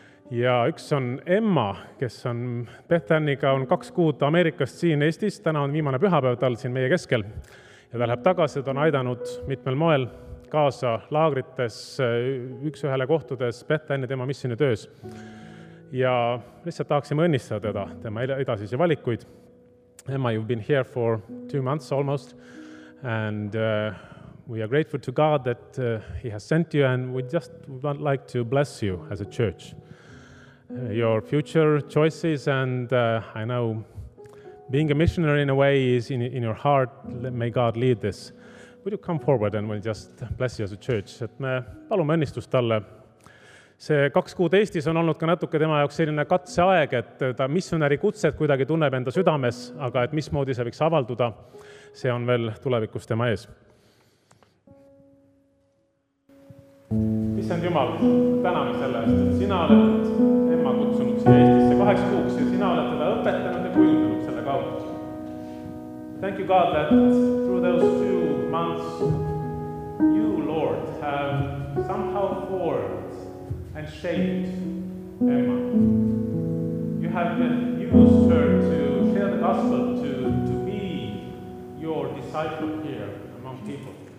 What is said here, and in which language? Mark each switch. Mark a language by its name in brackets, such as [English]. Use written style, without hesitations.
[Estonian] Ja üks on Emma, kes on Bethanniga, on 2 kuud Ameerikast siin Eestis. Täna on viimane pühapäev tal siin meie keskel. Ja ta läheb tagasi, et on aidanud mitmel moel kaasa laagrites, üks-ühele kohtudes Bethanni tema missioni töös. Ja lihtsalt tahaksime õnnistada teda, tema edasisi valikuid. [English] Emma, you've been here for 2 months almost. And... We are grateful to God that he has sent you, and we just would like to bless you as a church. Your future choices, and I know being a missionary in a way is in your heart, may God lead this. Would you come forward and we'll just bless you as a church? [Estonian] Et me palume õnnistust talle See 2 kuud Eestis on olnud ka natuke tema jaoks selline katseaeg, et ta missionäri kutset kuidagi tunneb enda südames, aga et mis moodi see võiks avalduda, see on veel tulevikus tema ees. Issand Jumal, täname selle eest, et sina oled Emma kutsunud siia Eestisse 8 kuuks ja sina oled teda õpetanud ja kujundanud selle kaudu. [English] Thank you God that through those 2 months you Lord have somehow formed and shaped Emma. You have used her to share the gospel, to be your disciple here among people.